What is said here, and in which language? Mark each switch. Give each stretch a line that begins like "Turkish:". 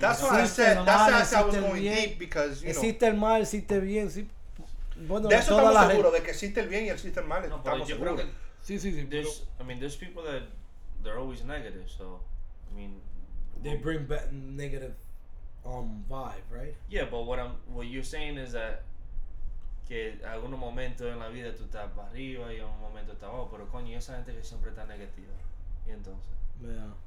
English: that's what I said, that's how I was going deep, because, you know.
Spanish: Existe el mal, existe bien, sí. Bueno, de eso estamos seguros, de que existe el bien y existe el mal, estamos seguros. Sí,
English: there's, I mean, there's people that they're always negative, so I mean, they bring back negative vibe, right? Yeah, but what you're saying is that
Spanish: que algún momento en la vida tú estás para arriba y un momento estás abajo, pero coño, esa gente que siempre está negativa, y entonces.